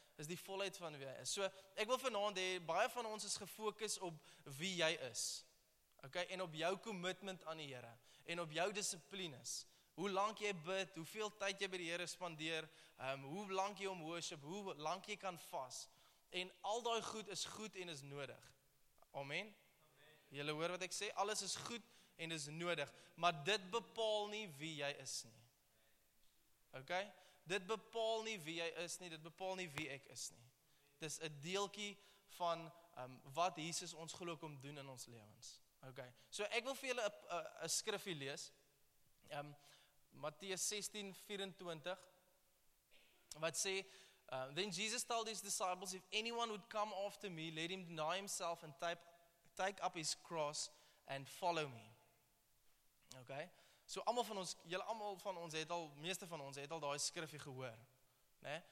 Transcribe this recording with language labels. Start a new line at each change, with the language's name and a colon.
Afrikaans: Is die volheid van wie hy is. So, ek wil vanaand hê, baie van ons is gefokus op wie jy is. Okay? En op jou commitment aan die Here. En op jou disciplines. Hoe lank jy bid, hoeveel tyd jy by die Here spandeer, hoe lank jy om worship, hoe lank jy kan vas. En al daai goed is goed en is nodig. Amen? Julle hoor wat ek sê? Alles is goed en is nodig. Maar dit bepaal nie wie jy is nie. Okay? Dit bepaal nie wie jy is nie, dit bepaal nie wie ek is nie. Dis 'n deeltjie van wat Jesus ons glo kom doen in ons lewens. Okay. So ek wil vir julle 'n skrifgie lees.
English: Matteus 16:24 wat sê, "Then Jesus told his disciples, if anyone would come after me, let him deny himself and take up his cross and follow me."
Afrikaans: Okay. So almal van ons, julle almal van ons het al, meeste van ons het al daai skrifgie gehoor, né?